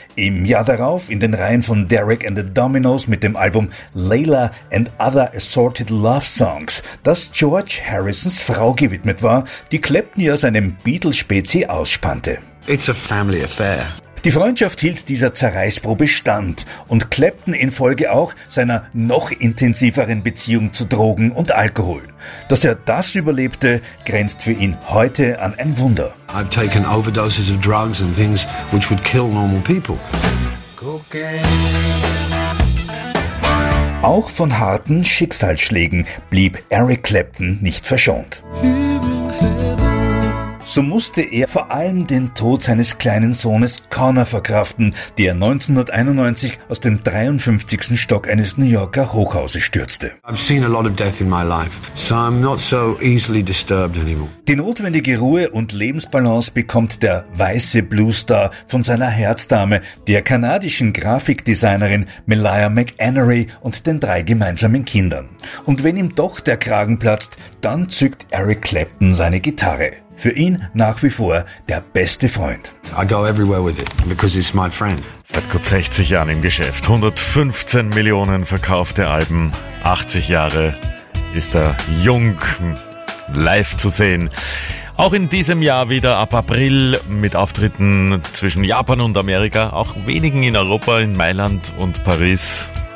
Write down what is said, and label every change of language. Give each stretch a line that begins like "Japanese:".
German: Im Jahr darauf in den Reihen von Derek and the Dominoes mit dem Album Layla and Other Assorted Love Songs, das George Harrisons Frau gewidmet war, die Clapton ja seinem Beatles-Spezi ausspannte.
English: It's a family affair.
German: Die Freundschaft hielt dieser Zerreißprobe stand und Clapton infolge auch seiner noch intensiveren Beziehung zu Drogen und Alkohol. Dass er das überlebte, grenzt für ihn heute an ein Wunder.
English: I've taken overdoses of drugs and things which would kill normal people. Cocaine.
German: Auch von harten Schicksalsschlägen blieb Eric Clapton nicht verschont. So musste er vor allem den Tod seines kleinen Sohnes Connor verkraften, der 1991 aus dem 53. Stock eines New Yorker Hochhauses stürzte.
English: I've seen a lot of death in my life, so I'm not so easily disturbed anymore.
German: Die notwendige Ruhe und Lebensbalance bekommt der weiße Bluesstar von seiner Herzdame, der kanadischen Grafikdesignerin Melia McEnery und den drei gemeinsamen Kindern. Und wenn ihm doch der Kragen platzt, dann zückt Eric Clapton seine Gitarre. Für ihn nach wie vor der beste Freund.
English: I go everywhere with it because it's my friend.
German: Seit gut 60 Jahren im Geschäft, 115 Millionen verkaufte Alben, 80 Jahre ist er jung, live zu sehen. Auch in diesem Jahr wieder ab April mit Auftritten zwischen Japan und Amerika, auch wenigen in Europa, in Mailand und Paris.